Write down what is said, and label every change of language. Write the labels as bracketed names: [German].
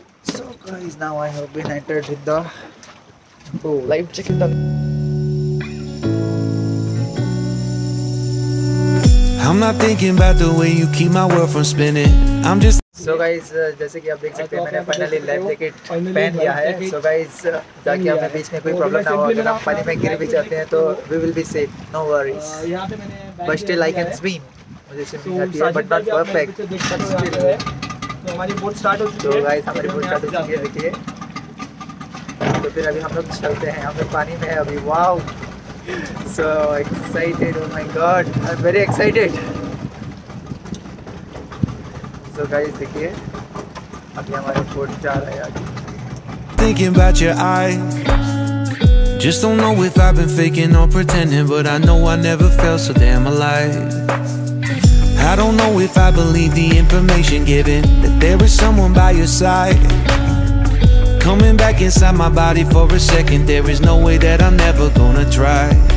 [English] So guys, now I have been entered in the live check in the I'm not thinking about the way you keep my world from spinning. I'm just So guys, [Hindi] जैसे कि आप देख सकते हैं, मैंने finally life jacket पहन लिया है। So guys, ताकि हमें बीच में कोई problem ना हो, अगर हम पानी में गिर भी जाते हैं तो [English] we will be safe, no worries. But still I can swim. [Hindi] मुझे swimming आती है, [English] but not perfect. [Hindi] So guys, हमारी boat start हो चुकी है, देखिए। तो फिर अभी हम लोग चलते हैं, हम लोग पानी में हैं अभी। [English] Wow. So excited, oh my god, I'm very excited. [Hindi] So guys, देखिए अभी हमारा बोट जा रहा है आगे। [English] Thinking about your eyes, just don't know if I've been faking or pretending, but I know I never felt so damn alive. I don't know if I believe the information given, that there is someone by your side. Coming back inside my body for a second, there is no way that I'm never gonna try.